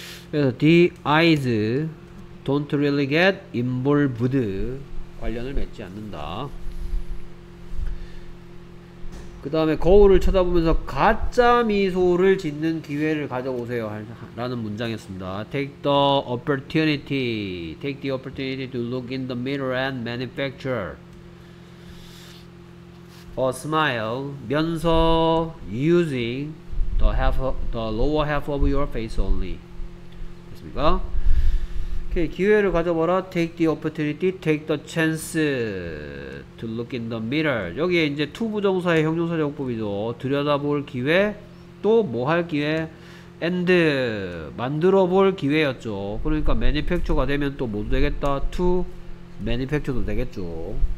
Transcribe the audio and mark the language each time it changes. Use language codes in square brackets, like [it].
[en] 그래서 the eyes don't really get involved [ko] 관련을 맺지 않는다. 그 다음에 거울을 쳐다보면서 가짜 미소를 짓는 기회를 가져오세요 라는 문장이었습니다. [en] take the opportunity to look in the mirror and manufacture a smile [ko] 면서 [en] using the lower half of your face only. [ko] 됐습니까? 오케이, 기회를 가져보라. [en] Take the opportunity, take the chance to look in the mirror. [ko] 여기에 이제 to 부정사의 형용사 적용법이죠. 들여다볼 기회, 또 뭐 할 기회, and 만들어 볼 기회였죠. 그러니까 manufacture가 되면 또 뭐도 되겠다. to manufacture도 되겠죠.